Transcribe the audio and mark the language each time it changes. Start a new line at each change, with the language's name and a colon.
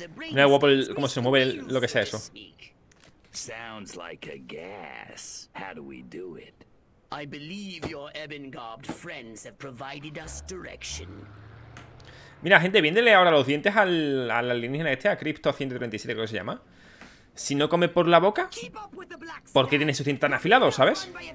Spanish: Mira guapo cómo se mueve lo que sea eso.
English: Sounds like a gas. How do we do it? I believe your ebengarbed friends have provided us direction.
Spanish: Mira, gente, viéndole ahora los dientes al alienígena este, a Crypto-137, creo que se llama. Si no come por la boca, ¿por qué tiene sus dientes tan afilados, sabes?